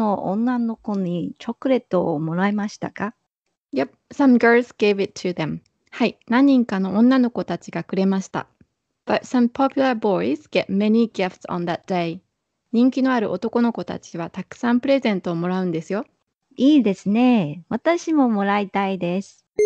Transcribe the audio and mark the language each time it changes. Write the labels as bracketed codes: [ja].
[ja] 弟さんたちは学校の女の子にチョコレートをもらいましたか? [en] Yep, some girls gave it to them. [ja] はい、何人かの女の子たちがくれました。 [en] But some popular boys get many gifts on that day. [ja] 人気のある男の子たちはたくさんプレゼントをもらうんですよ。いいですね。私ももらいたいです。